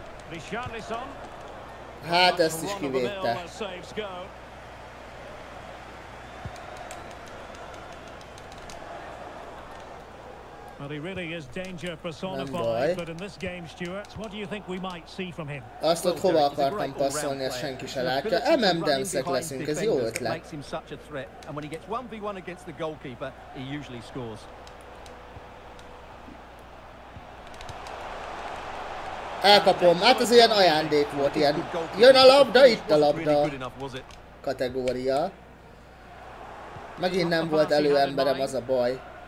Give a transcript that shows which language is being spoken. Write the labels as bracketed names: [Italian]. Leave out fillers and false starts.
[English] Richarlison. [Hungarian] Hát ezt is kivette. [English] But he really is danger personified, but in this game, Stuart, what do you think we might see from him? [Hungarian] Azt ott hova akartam passzolni, ezt senki se látja. MMD-szek leszünk, ez jó ötlet. [English] And when he gets 1v1 against the goalkeeper, he usually scores. [Hungarian] Elkapom, hát ez ilyen ajándék volt, ilyen jön a labda, itt a labda kategória. Megint nem volt elő emberem, az a baj.